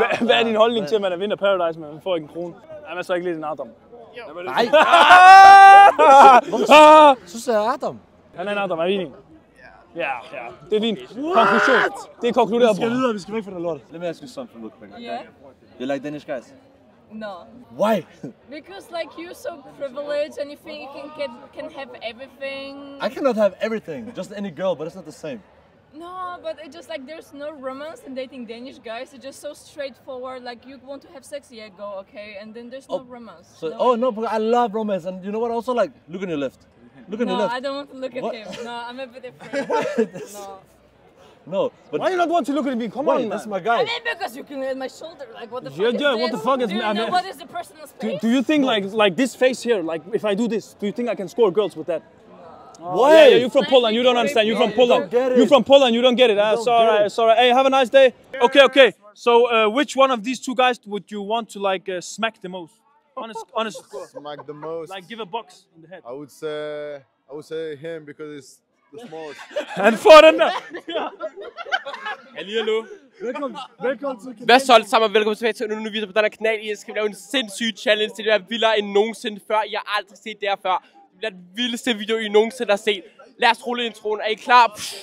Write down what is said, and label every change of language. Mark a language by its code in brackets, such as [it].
[da] Hvad er din holdning til, at man vinder Paradise, men man får ikke en krone? Er man så ikke lidt en Adam? Nej. Synes jeg, Adam? Han er en Adam, er vi enig? Ja. Det er din konklusion. Det er konkluderet, bror. Vi skal videre, vi skal væk fra den lort. Lad mig at skrive sådan for noget. Ja. [en] You like Danish guys? No. Why? Because like you're so privileged and you think you can have everything. I cannot have everything, just any girl, but it's not the same. No, but it's just like there's no romance in dating Danish guys. It's just so straightforward. Like you want to have sex, yeah, go, okay. And then there's no romance. So, no, but I love romance. And you know what? Also, like, look on your left. Look at no, the left. No, I don't want to look at him. No, I'm a bit afraid. No. But why you not want to look at me? Come why, on, man. That's my guy. I mean, because you can hit my shoulder. Like, what the yeah, fuck? Yeah, what the fuck is man? What is the personal space? Do you think, like this face here, like, if I do this, do you think I can score girls with that? Oh, what? Yeah, you're from Poland, you don't understand. You're from Poland. You're from Poland, you don't get it. Sorry. Hey, have a nice day. Okay. So, which one of these two guys would you want to, like, smack the most? Honest. Smack the most. Like, give a box in the head. I would say him because he's the smallest. And foreigner! Hello, hello. [da] Velkommen til Kæreste. Hvad så, og velkommen tilbage til en ny video på denne kanal. I skal lave en sindssyg challenge. Det er vildere end nogensinde før. I har aldrig set det her før. Det er den vildeste video, I nogensinde har set. Lad os rulle introen. Er I klar?